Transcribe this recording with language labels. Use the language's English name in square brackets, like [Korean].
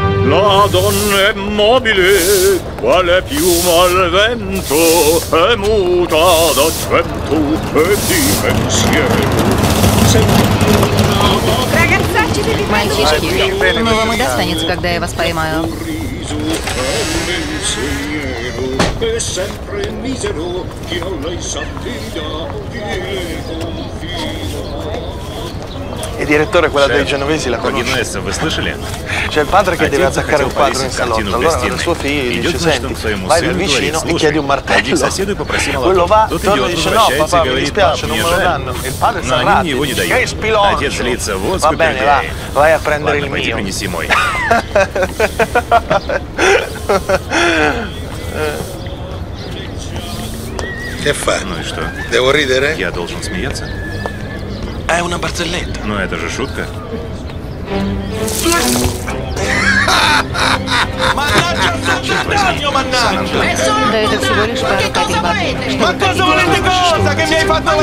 [Italian] La donna è mobile, quale piuma al vento, è muta d'accento e di pensiero. [Russian] Мальчишки, думаю, вам и достанется, когда я вас поймаю. [Italian] E direttore, quella dei genovesi la conosce. [Russian] Вы слышали? [Italian] C'è il padre che deve attaccare un quadro in salotto. Allora il suo figlio gli dice, senti, vai lì vicino e chiedi un martello. Quello va, torna e dice, no, papà, mi dispiace, non me lo danno. Il padre sta arrabbiato. Che spilone! Va bene, va, vai a prendere il mio. Che fa? Devo ridere? [Russian] Я должен смеяться? [Italian] È una barzelletta. [Russian] Ну, это же шутка. Да это всего лишь пара капель воды. [Italian] Ma cosa volete cosa che mi hai fatto la